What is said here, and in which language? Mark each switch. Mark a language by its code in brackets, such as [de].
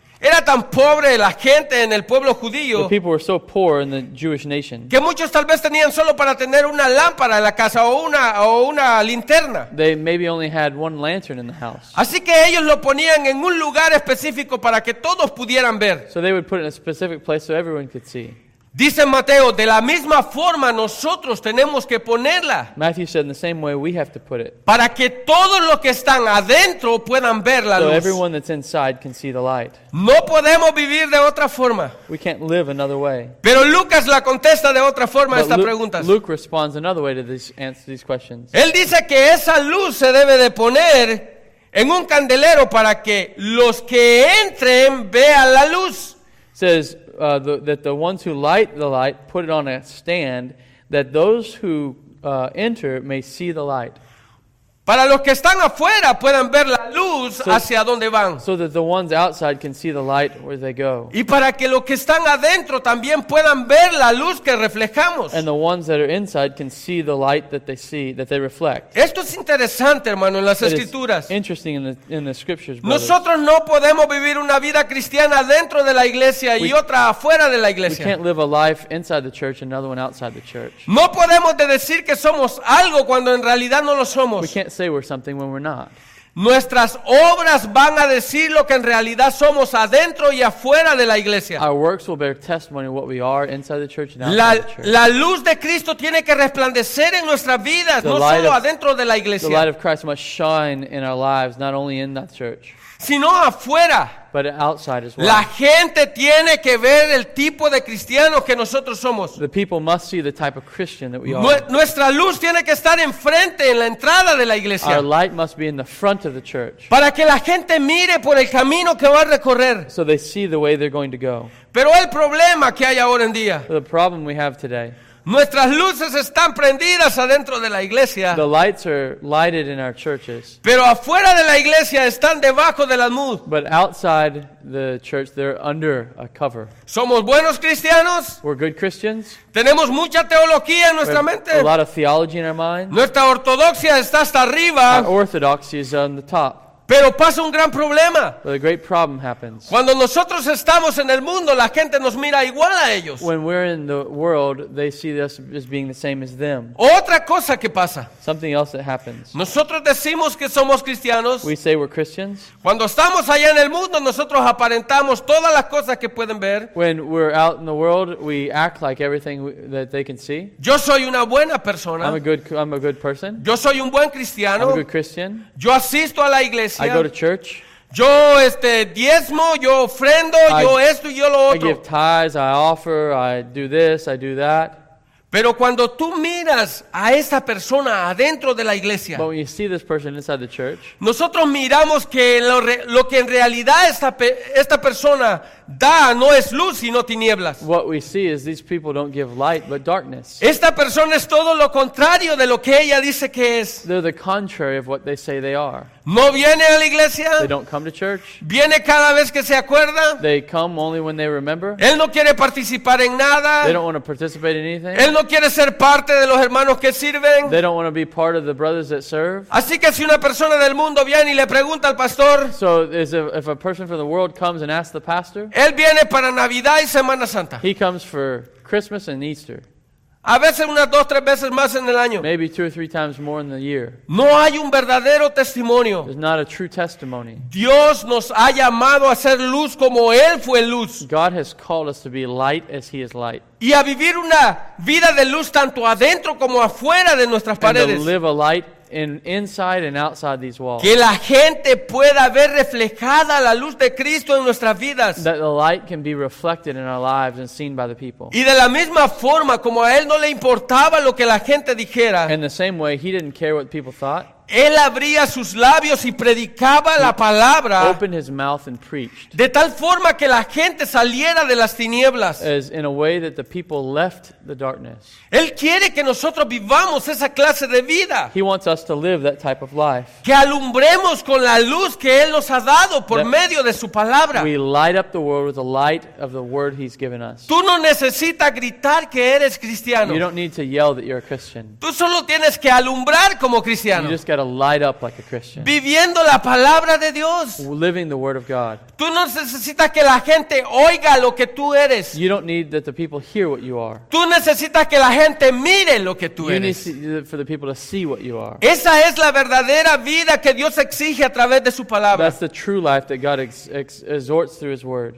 [es] Era tan pobre la gente en el pueblo judío. [en] The people were so poor in the Jewish nation. [es] Que muchos tal vez tenían solo para tener una lámpara en la casa o una linterna. [en] They maybe only had one lantern in the house. [es] Así que ellos lo ponían en un lugar específico para que todos pudieran ver. [en] So they would put it in a specific place so everyone could see. [es] Dice Mateo, de la misma forma nosotros tenemos que ponerla. [en] Matthew said, in the same way we have to put it. [es] Para que todos los que están adentro puedan ver la [en] so So everyone that's inside can see the light. [es] No podemos vivir de otra forma. [en] We can't live another way. [es] Pero Lucas la contesta de otra forma [en] but [es] a esta pregunta. [en] Luke responds another way to these questions. [es] Él dice que esa luz se debe de poner en un candelero para que los que entren vean la luz. [en] Says, that the ones who light the light put it on a stand that those who enter may see the light. [es] Para los que están afuera puedan ver la luz so, hacia donde van. [en] So that the ones outside can see the light where they go. [es] Y para que los que están adentro también puedan ver la luz que reflejamos. [en] And the ones that are inside can see the light that they see, that they reflect. [es] Esto es interesante, hermano, en las [en] it [es] Escrituras. [en] Interesting in the Scriptures, brothers. [es] Nosotros no podemos vivir una vida cristiana dentro de la iglesia y otra afuera de la iglesia. [en] We can't live a life inside the church and another one outside the church. [es] No podemos decir que somos algo cuando en realidad no lo somos. [en] Say we're something when we're not. [es] Nuestras obras van a decir lo que en realidad somos adentro y afuera de la iglesia. [en] Our works will bear testimony of what we are inside the church and outside [es] la, [en] the church. [es] La luz de Cristo tiene que resplandecer en nuestras vidas, no solo of, adentro de la iglesia. [en] The light of Christ must shine in our lives, not only in that church, [es] sino afuera. [en] But outside as well. [es] La gente tiene que ver el tipo de cristiano que nosotros somos. [en] The people must see the type of Christian that we are. [es] Nuestra luz tiene que estar enfrente en la entrada de la iglesia. [en] Our light must be in the front of the church. [es] Para que la gente mire por el camino que va a recorrer. [en] So they see the way they're going to go. [es] Pero el problema que hay ahora en día. [en] The problem we have today. [es] Nuestras luces están prendidas adentro de la iglesia. [en] The lights are lighted in our churches. [es] Pero afuera de la iglesia están debajo del almud. [en] But outside the church they're under a cover. [es] Somos buenos cristianos. [en] We're good Christians. [es] Tenemos mucha teología en nuestra mente. [en] A lot of theology in our minds. [es] Nuestra ortodoxia está hasta arriba. [en] Our orthodoxy is on the top. [es] Pero pasa un gran problema. [en] But a great problem happens. [es] Cuando nosotros estamos en el mundo, la gente nos mira igual a ellos. [en] When we're in the world, they see us as being the same as them. [es] Otra cosa que pasa. [en] Something else that happens. [es] Nosotros decimos que somos cristianos. [en] We say we're Christians. [es] Cuando estamos allá en el mundo, nosotros aparentamos todas las cosas que pueden ver. [en] When we're out in the world, we act like everything that they can see. [es] Yo soy una buena persona. [en] I'm a good person. [es] Yo soy un buen cristiano. [en] I'm a good Christian. [es] Yo asisto a la iglesia. [en] I go to church. [es] Yo diezmo, yo ofrendo, yo esto y yo lo otro. [en] I give tithes, I offer, I do this, I do that. [es] Pero cuando tú miras a esa persona adentro de la iglesia. [en] But when you see this person inside the church. [es] Nosotros miramos que lo que en realidad esta persona da no es luz sino tinieblas. [en] What we see is these people don't give light but darkness. [es] Esta persona es todo lo contrario de lo que ella dice que es. [en] They're the contrary of what they say they are. [es] No viene a la iglesia. [en] They don't come to church. [es] Viene cada vez que se acuerda. [en] They come only when they remember. [es] Él no quiere participar en nada. [en] They don't want to participate in anything. [es] Él no quiere ser parte de los hermanos que sirven. [en] They don't want to be part of the brothers that serve. [es] Así que si una persona del mundo viene y le pregunta al pastor. [en] So if a person from the world comes and asks the pastor. [es] Él viene para Navidad y Semana Santa. [en] He comes for Christmas and Easter. [es] A veces unas dos, tres veces más en el año. [en] Maybe two or three times more in the year. [es] No hay un verdadero testimonio. [en] There's not a true testimony. [es] Dios nos ha llamado a ser luz como Él fue luz. [en] God has called us to be light as He is light. [es] Y a vivir una vida de luz tanto adentro como afuera de nuestras paredes. [en] And to live a light inside and outside these walls. [es] Que la gente pueda ver reflejada la luz de Cristo en nuestras vidas. [en] That the light can be reflected in our lives and seen by the people. [es] Y de la misma forma como a él no le importaba lo que la gente dijera. [en] In the same way, he didn't care what people thought. [es] Él abría sus labios y predicaba la palabra. [en] Opened his mouth and preached. [es] De tal forma que la gente saliera de las tinieblas. [en] As in a way that the people left the darkness. [es] Él quiere que nosotros vivamos esa clase de vida. [en] He wants us to live that type of life. [es] Que alumbremos con la luz que él nos ha dado por medio de su palabra. [en] We light up the world with the light of the word he's given us. [es] Tú no necesitas gritar que eres cristiano. [en] You don't need to yell that you're a Christian. [es] Tú solo tienes que alumbrar como cristiano. [en] You just got to light up like a Christian. [es] Viviendo la palabra de Dios. [en] Living the word of God. [es] Tú no necesitas que la gente oiga lo que tú eres. [en] You don't need that the people hear what you are. [es] Tú necesitas que la gente mire lo que tú eres. [en] You need for the people to see what you are. [es] Esa es la verdadera vida que Dios exige a través de su palabra. [en] That's the true life that God exhorts through his word.